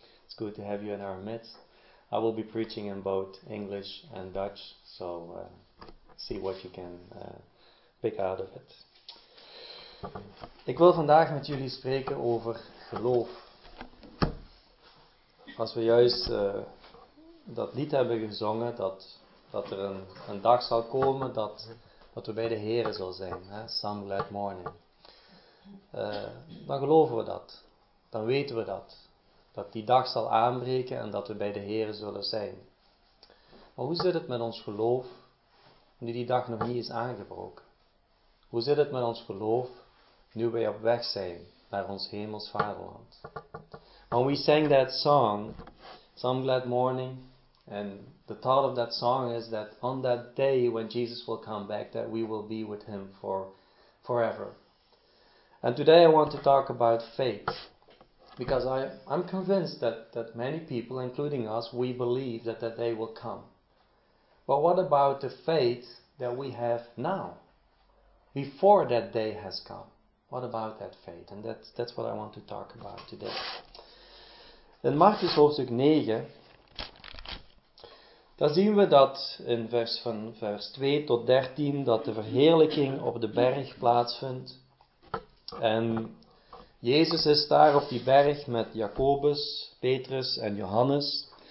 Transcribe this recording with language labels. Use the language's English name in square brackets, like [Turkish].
[English] It's good to have you in our midst. I will be preaching in both English and Dutch, so see what you can pick out of it. [Dutch] Ik wil vandaag met jullie spreken over geloof. Als we juist dat lied hebben gezongen, dat er een dag zal komen dat we bij de Heere zal zijn. Hè? Some glad morning. Dan geloven we dat. Dan weten we dat. Dat die dag zal aanbreken en dat we bij de Heere zullen zijn. Maar hoe zit het met ons geloof nu die dag nog niet is aangebroken? Hoe zit het met ons geloof nu wij op weg zijn naar ons hemels vaderland? [English] When we sang that song, Some Glad Morning, and the thought of that song is that on that day when Jesus will come back, that we will be with him for forever. And today I want to talk about faith. Because I'm convinced that many people, including us, we believe that day will come. But what about the faith that we have now? Before that day has come. What about that faith? And that's what I want to talk about today. [Dutch] In Marcus hoofdstuk 9, daar zien we dat in vers 2 tot 13, dat de verheerlijking op de berg plaatsvindt. En Jezus is daar op die berg met Jacobus, Petrus en Johannes.